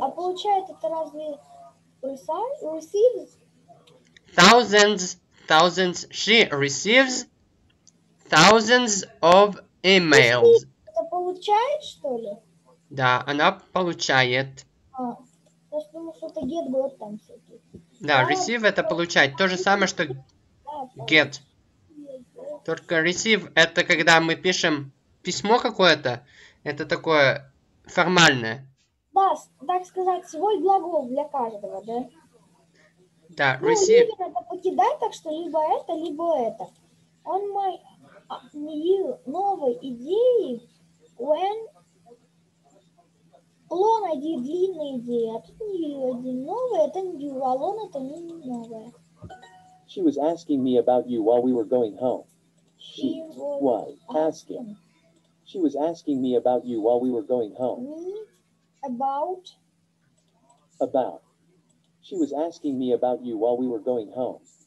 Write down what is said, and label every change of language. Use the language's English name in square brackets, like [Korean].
[Russian] А получает это разве... [English] Receives? Thousands. thousands. She receives thousands of emails. [Russian] Ты получаешь, что ли? Да, она получает. Я же думала, что это get, get там всякие. Да, receive — это получать. То же самое, что get. Только receive — это когда мы пишем письмо какое-то. Это такое формальное. Да, так сказать, свой глагол для каждого, да? Да, ну, receive. Ну, это покидать, так что либо это, либо это. [English] On my new, [Russian] новой идеи, [English] when... [Russian] Лон один, длинная идея, а тут new один, новая, это new, а лон это не новая. [English] She was asking me about you while we were going home. She was asking. She was asking me about you while we were going home. About. She was asking me about you while we were going home.